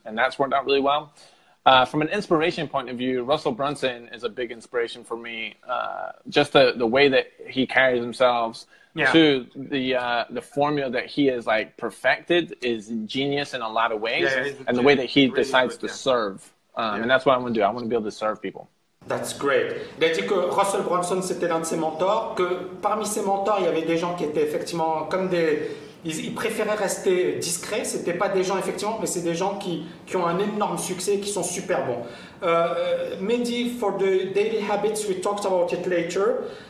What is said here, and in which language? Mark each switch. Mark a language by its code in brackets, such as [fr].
[en] And that's worked out really well. From an inspiration point of view, Russell Brunson is a big inspiration for me. Just the way that he carries himself to the formula that he has like perfected is genius in a lot of ways. And the way that he really decides to serve. And that's what I want to do. I want to be able to serve people. That's great. [fr] Il a dit que Russell Brunson, c'était l'un de ses mentors, que parmi ses mentors, il y avait des gens qui étaient effectivement comme des... Ils préféraient rester discrets. Ce n'étaient pas des gens, effectivement, mais c'est des gens qui ont un énorme succès et qui sont super bons. [en] Mehdi, for the daily habits, we talked about it later.